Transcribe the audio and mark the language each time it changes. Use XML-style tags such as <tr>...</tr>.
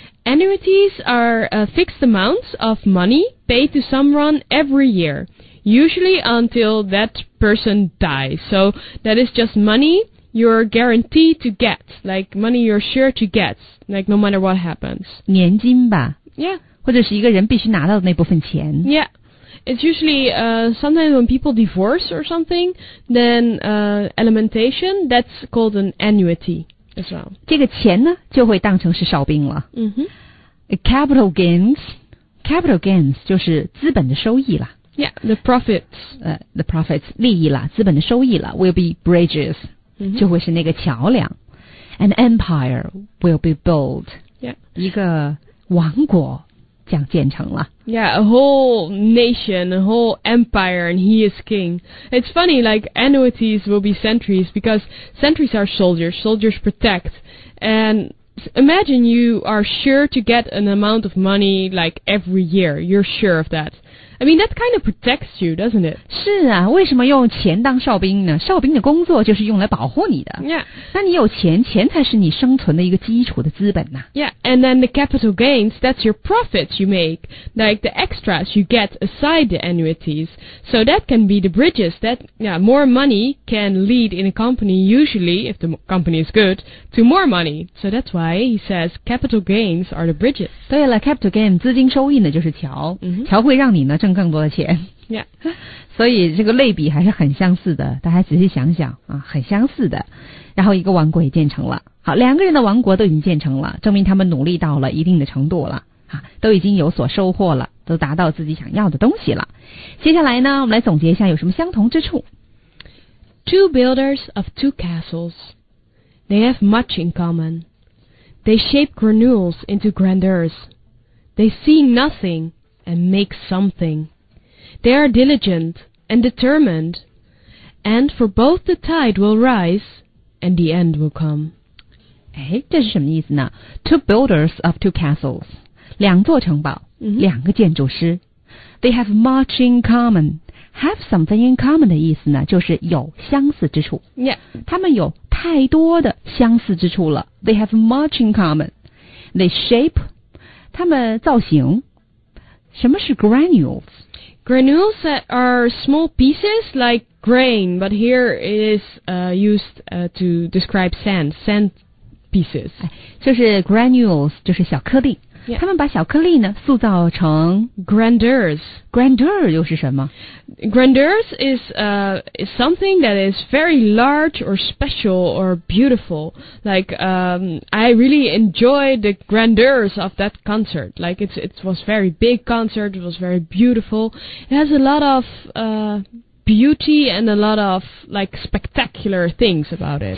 <en>?Annuities are a fixed amount of money paid to someone every year, usually until that person dies. So that is just money you're guaranteed to get, like money you're sure to get, like no matter what happens.</en> <zh>年金吧。</zh> <en>Yeah.</en> <zh>或者是一个人必须拿到的那部分钱。</zh> <en>Yeah. It's usually, sometimes when people divorce or something, then, alimentation, that's called an annuity as well.</en> <zh>这个钱呢就会当成是哨兵了。 Mm-hmm. Capital gains 就是资本的收益了。</zh> <en>Yeah, the profits. The profits,</en> <zh>利益了资本的收益了</zh> <en>will be bridges,、 mm-hmm.</en> <zh>就会是那个桥梁。</zh> <en>An empire will be built. Yeah.</en> <zh>一个王国。这样建成了</zh> <en>Yeah, a whole nation, a whole empire, and he is king. It's funny, like, annuities will be sentries, because sentries are soldiers, soldiers protect. And imagine you are sure to get an amount of money, like, every year. You're sure of that. I mean, that kind of protects you, doesn't it?</en> <zh>是啊，为什么用钱当哨兵呢？哨兵的工作就是用来保护你的。</zh> <en>Yeah.</en> <zh>那你有钱，钱才是你生存的一个基础的资本呢。</zh> <en>Yeah, and then the capital gains, that's your profits you make, like the extras you get aside the annuities. So that can be the bridges that, yeah, more money can lead in a company, usually, if the company is good, to more money. So that's why he says capital gains are the bridges.</en> <zh>对了 capital gain, 资金收益呢就是桥、 mm-hmm. 桥会让你呢挣更多的钱。</zh> <en>Yeah.</en> <zh>所以这个类比还是很相似的大家仔细想想啊很相似的。然后一个王国也建成了。好两个人的王国都已经建成了证明他们努力到了一定的程度了啊都已经有所收获了都达到自己想要的东西了。接下来呢我们来总结一下有什么相同之处。</zh> <en>Two builders of two castles. They have much in common. They shape granules into grandeurs. They see nothing. And make something. They are diligent and determined. And for both the tide will rise and the end will come.</en> <zh>哎，这是什么意思呢</zh> <en>Two builders of two castles.</en> <zh>两座城堡、 mm-hmm. 两个建筑师。</zh> <en>They have much in common. Have something in common</en> <zh>的意思呢就是有相似之处。</zh> <en>Yeah.</en> <zh>他们有太多的相似之处了。</zh> <en>They have much in common. They shape.</en> <zh>他们造型。什么是 granules?</zh> <en>Granules are small pieces like grain, but here it is used to describe sand pieces.</en> <zh>就是 granules, 就是小颗粒。</zh> <en>Yeah.</en> <zh>他们把小颗粒呢塑造成</zh> <en>grandeurs.</en> <zh>Grandeur 又是什么？</zh> <en>Grandeurs is something that is very large or special or beautiful. Like I really enjoyed the grandeurs of that concert. Like it was very big concert. It was very beautiful. It has a lot of beauty and a lot of like spectacular things about it.</en>